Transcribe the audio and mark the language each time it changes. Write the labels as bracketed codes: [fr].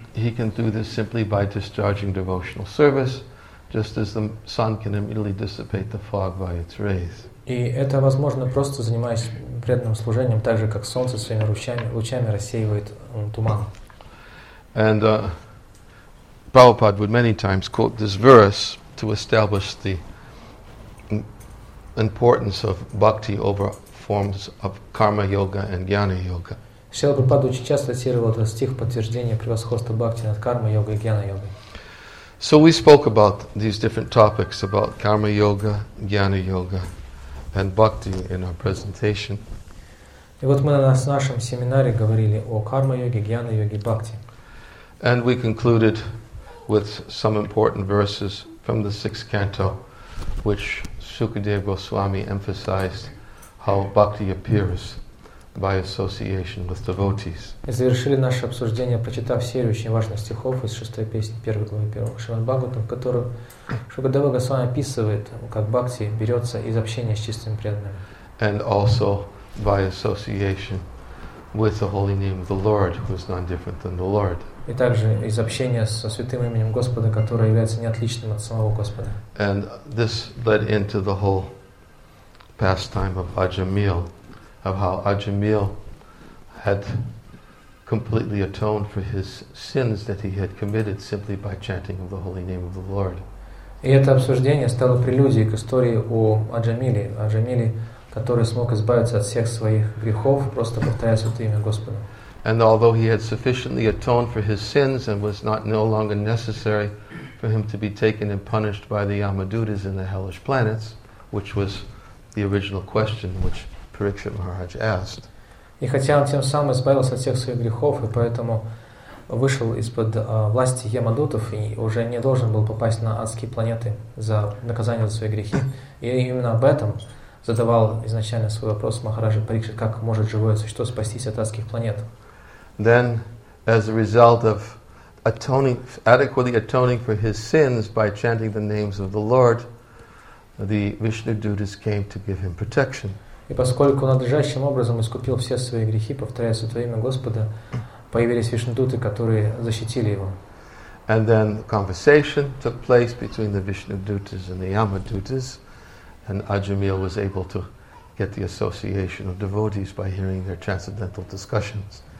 [en] He can do this simply by discharging devotional service, just as the sun can immediately dissipate the fog by its rays. [ru] И это возможно просто занимаясь преданным служением, так же как солнце своими лучами рассеивает туман. [en] And Prabhupada would many times quote this verse to establish the importance of bhakti over forms of karma yoga and jnana yoga. [ru] Шрила Прабхупада очень часто цитировал этот стих в подтверждение превосходства бхакти над карма йогой и джняна йогой. [en] So we spoke about these different topics about karma yoga, jnana yoga, and bhakti in our presentation. [ru] И вот мы на нашем семинаре говорили о карма йоге, джняна йоге, бхакти. [en] And we concluded with some important verses from the sixth canto, which Shukadeva Goswami emphasized how bhakti appears by association with devotees. [ru] И завершили наше обсуждение, прочитав серию очень важных стихов из шестой песни первой главы первого Шримад-Бхагаватам, в которой Шукадева Госвами описывает, как бхакти берется из общения с чистыми преданными. [en] And also by association with the holy name of the Lord, who is none different than the Lord. [ru] И также из общения со святым именем Господа, которое является неотличным от самого Господа. [en] And this led into the whole pastime of Ajameel, of how Ajameel had completely atoned for his sins that he had committed simply by chanting of the holy name of the Lord. [ru] И это обсуждение стало прелюдией к истории о Аджамиле, Аджамиле, который смог избавиться от всех своих грехов, просто повторяя святое имя Господа. [en] And although he had sufficiently atoned for his sins and was not no longer necessary for him to be taken and punished by the Yamadutas in the hellish planets, which was the original question which Parikshit Maharaj asked. [ru] И хотя он тем самым избавился от всех своих грехов, и поэтому вышел из-под власти Ямадутов и уже не должен был попасть на адские планеты за наказание за свои грехи. И именно об этом задавал изначально свой вопрос Махараджа Парикшит, как может живое существо спастись от адских планет. [en] Then, as a result of adequately atoning for his sins by chanting the names of the Lord, the Vishnudutas came to give him protection. [ru] И поскольку надлежащим образом искупил все свои грехи, повторяя святое имя Господа, появились вишнудуты, которые защитили его. [en] And then conversation took place between the Vishnudutas and the Yamadutas, and Ajameel was able to get the association of devotees by hearing their transcendental discussions.